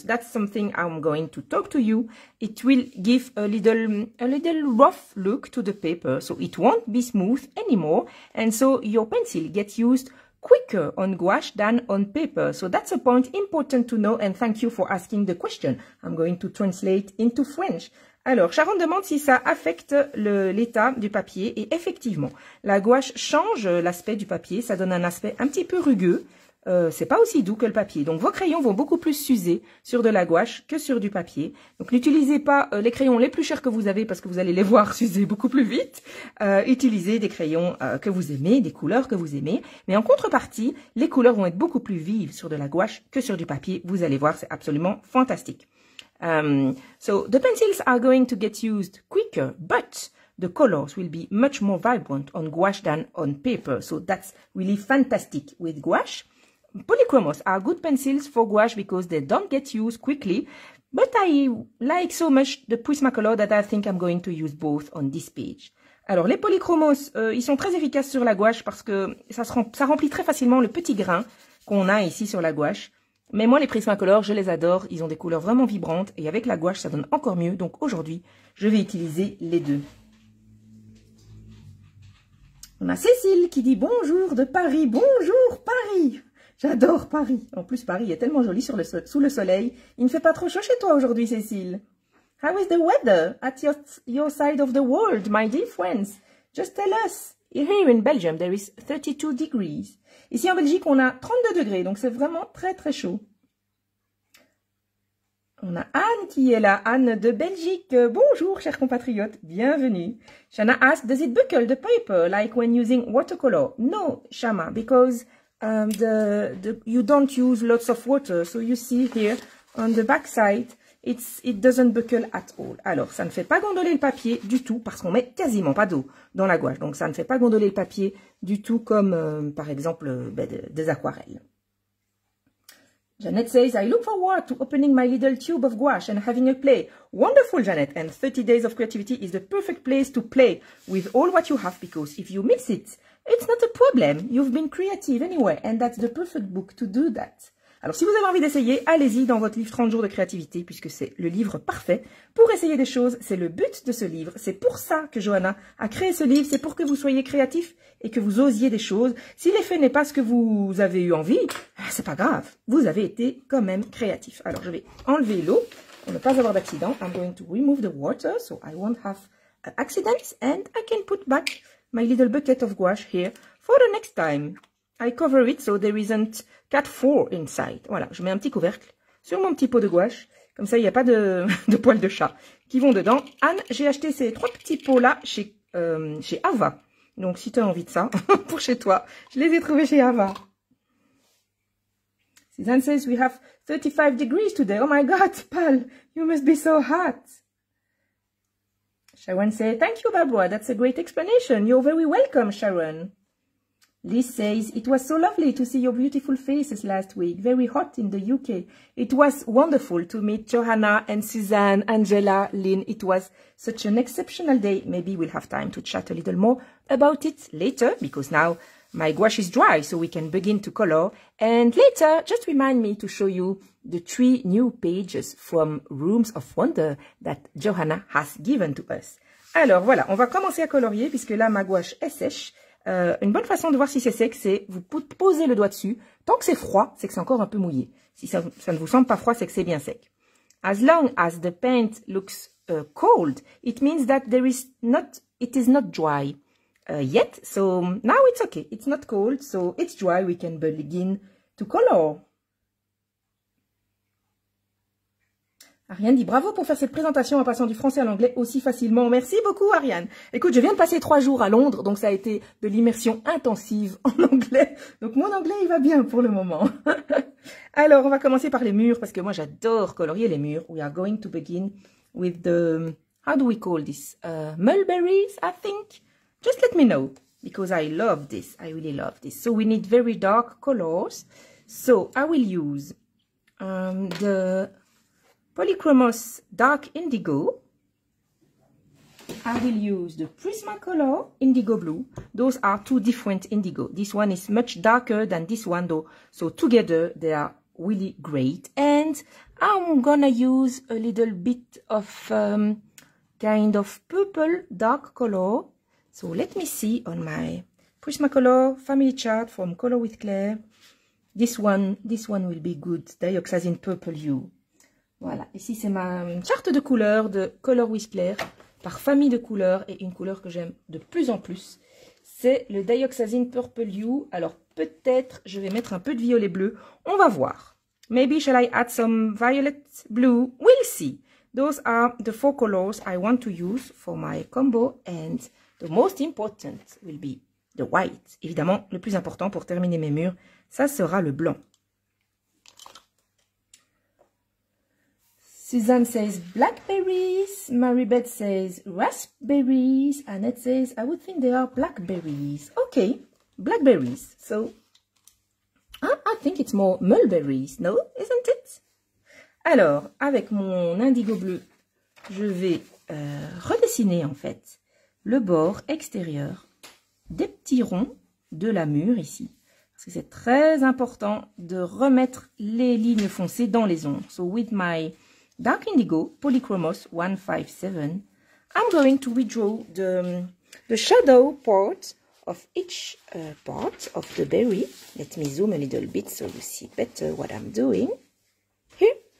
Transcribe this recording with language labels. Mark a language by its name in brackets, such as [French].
[English] That's something I'm going to talk to you. It will give a little rough look to the paper, so it won't be smooth anymore. And so your pencil gets used quicker on gouache than on paper. So that's a point important to know. And thank you for asking the question. I'm going to translate into French. [French] Alors, Sharon demande si ça affecte l'état du papier. Et effectivement, la gouache change l'aspect du papier. Ça donne un aspect un petit peu rugueux. C'est pas aussi doux que le papier. Donc, vos crayons vont beaucoup plus s'user sur de la gouache que sur du papier. Donc, n'utilisez pas les crayons les plus chers que vous avez parce que vous allez les voir s'user beaucoup plus vite. Utilisez des crayons que vous aimez, des couleurs que vous aimez. Mais en contrepartie, les couleurs vont être beaucoup plus vives sur de la gouache que sur du papier. Vous allez voir, c'est absolument fantastique. [English] So the pencils are going to get used quicker, but the colors will be much more vibrant on gouache than on paper. So that's really fantastic with gouache. Polychromos are good pencils for gouache because they don't get used quickly. But I like so much the Prismacolor that I think I'm going to use both on this page. [French] Alors les polychromos, ils sont très efficaces sur la gouache parce que ça remplit très facilement le petit grain qu'on a ici sur la gouache. Mais moi, les Prismacolor, je les adore. Ils ont des couleurs vraiment vibrantes. Et avec la gouache, ça donne encore mieux. Donc aujourd'hui, je vais utiliser les deux. On a Cécile qui dit bonjour de Paris. Bonjour Paris. J'adore Paris. En plus, Paris est tellement joli sous le soleil. Il ne fait pas trop chaud chez toi aujourd'hui, Cécile. [English] How is the weather at your side of the world, my dear friends? Just tell us. Here in Belgium, there is 32 degrees. [French] Ici en Belgique, on a 32 degrés, donc c'est vraiment très très chaud. On a Anne qui est là, Anne de Belgique. Bonjour, chers compatriotes, bienvenue. [English] Shana asks, does it buckle the paper like when using watercolor? No, Shama, because you don't use lots of water. So you see here on the back side, it doesn't buckle at all. [French] Alors, ça ne fait pas gondoler le papier du tout parce qu'on met quasiment pas d'eau dans la gouache. Donc, ça ne fait pas gondoler le papier du tout comme, par exemple, des aquarelles. [English] Janet says, I look forward to opening my little tube of gouache and having a play. Wonderful, Janet. And 30 Days of Creativity is the perfect place to play with all what you have because if you miss it, it's not a problem. You've been creative anyway and that's the perfect book to do that. [French] Alors, si vous avez envie d'essayer, allez-y dans votre livre 30 jours de créativité, puisque c'est le livre parfait pour essayer des choses. C'est le but de ce livre. C'est pour ça que Johanna a créé ce livre. C'est pour que vous soyez créatif et que vous osiez des choses. Si l'effet n'est pas ce que vous avez eu envie, c'est pas grave. Vous avez été quand même créatif. Alors, je vais enlever l'eau pour ne pas avoir d'accident. [English] I'm going to remove the water so I won't have accidents. And I can put back my little bucket of gouache here for the next time. I cover it so there isn't cat fur inside. [French] Voilà, je mets un petit couvercle sur mon petit pot de gouache. Comme ça, il n'y a pas de poils de chat qui vont dedans. Anne, j'ai acheté ces trois petits pots-là chez Ava. Donc, si tu as envie de ça pour chez toi, je les ai trouvés chez Ava. [English] Suzanne says, we have 35 degrees today. Oh my God, pal, you must be so hot. Sharon says, thank you, Barbara. That's a great explanation. You're very welcome, Sharon. Liz says, it was so lovely to see your beautiful faces last week. Very hot in the UK. It was wonderful to meet Johanna and Suzanne, Angela, Lynn. It was such an exceptional day. Maybe we'll have time to chat a little more about it later because now my gouache is dry so we can begin to color. And later, just remind me to show you the three new pages from Rooms of Wonder that Johanna has given to us. [French] Alors voilà, on va commencer à colorier puisque là ma gouache est sèche. Une bonne façon de voir si c'est sec, c'est vous poser le doigt dessus. Tant que c'est froid, c'est que c'est encore un peu mouillé. Si ça ne vous semble pas froid, c'est que c'est bien sec. [English] As long as the paint looks cold, it means that it is not dry yet. So now it's okay. It's not cold, so it's dry. We can begin to color. [French] Ariane dit bravo pour faire cette présentation en passant du français à l'anglais aussi facilement. Merci beaucoup Ariane. Écoute, je viens de passer 3 jours à Londres, donc ça a été de l'immersion intensive en anglais. Donc mon anglais, il va bien pour le moment. Alors, on va commencer par les murs parce que moi, j'adore colorier les murs. [English] We are going to begin with the, how do we call this? Mulberries, I think. Just let me know because I love this. I really love this. So, we need very dark colors. So, I will use the Polychromos Dark Indigo. I will use the Prismacolor Indigo Blue. Those are two different indigo. This one is much darker than this one though. So together they are really great. And I'm gonna use a little bit of kind of purple dark color. So let me see on my Prismacolor family chart from Color with Claire. This one will be good. Dioxazine Purple Hue. [French] Voilà, ici c'est ma charte de couleurs de Color with Claire. Par famille de couleurs et une couleur que j'aime de plus en plus, c'est le Dioxazine Purple Hue. Alors peut-être je vais mettre un peu de violet bleu, on va voir. [English] Maybe shall I add some violet blue? We'll see. Those are the four colors I want to use for my combo and the most important will be the white. [French] Évidemment, le plus important pour terminer mes murs, ça sera le blanc. [English] Suzanne says blackberries, Marybeth says raspberries, Annette says I would think they are blackberries. Okay, blackberries. So, I think it's more mulberries, no, isn't it? [French] Alors, avec mon indigo bleu, je vais redessiner en fait le bord extérieur des petits ronds de la mûre ici. Parce que c'est très important de remettre les lignes foncées dans les ombres. [English] So, with my Dark Indigo, Polychromos 157. I'm going to redraw the shadow part of each part of the berry. Let me zoom a little bit so you see better what I'm doing. Here.